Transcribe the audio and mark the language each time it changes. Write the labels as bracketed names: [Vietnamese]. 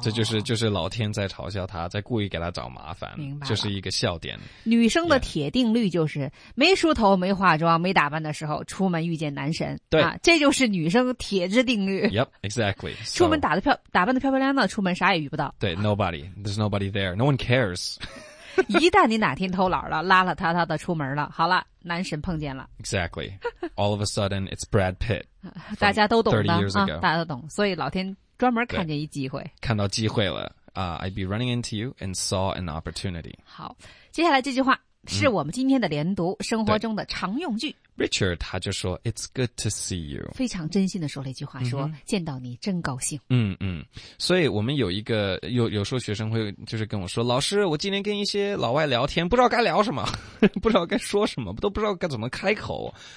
[Chinese] 这就是老天在嘲笑他，在故意给他找麻烦，明白？就是一个笑点。女生的铁定律就是、yeah. 没梳头、没化妆、没打扮的时候出门遇见男神，对，啊、这就是女生铁之定律。 [English] Yep, exactly. [Chinese] 出门打扮的漂漂亮亮的，出门啥也遇不到。 [English] 对 ，nobody, there's nobody there, no one cares. [Chinese] 一旦你哪天偷懒了，邋邋遢遢的出门了，好了，男神碰见了。 [English] Exactly. All of a sudden, it's Brad Pitt. [Chinese] 大家都懂的 [English] 30 years ago. [Chinese] 啊，大家都懂，所以老天专门看见一机会。看到机会了， [English] I'd be running into you and saw an opportunity. [Chinese] 好，接下来这句话是我们今天的连读，生活中的常用句。 Richard 他就说 [English] It's good to see you， [Chinese] 非常真心的说了一句话，说见到你真高兴。嗯嗯，所以我们有一个有时候学生会就是跟我说，老师，我今天跟一些老外聊天，不知道该聊什么，不知道该说什么，都不知道该怎么开口。